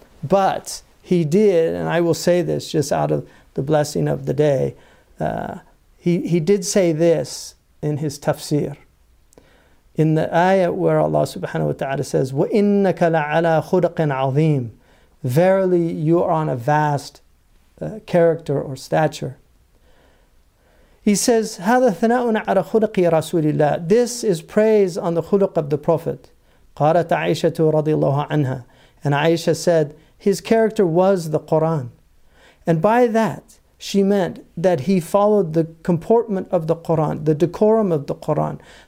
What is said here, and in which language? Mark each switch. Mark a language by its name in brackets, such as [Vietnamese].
[English] But he did, and I will say this just out of the blessing of the day, he did say this in his tafsir. In the ayah where Allah subhanahu wa ta'ala says, [Arabic] وَإِنَّكَ لَعَلَى خُلَقٍ عَظِيمٍ. [English] Verily you are on a vast character or stature. He says, [Arabic] هَذَا ثَنَاءٌ عَلَى خُلُقِ رَسُولِ اللَّهِ. [English] This is praise on the khuluq of the Prophet. [Arabic] قَالَتْ عَيْشَةُ رَضِي اللَّهُ عَنْهَا. [English] And Aisha said, his character was the Qur'an. And by that, she meant that he followed the comportment of the Qur'an, the decorum of the Qur'an.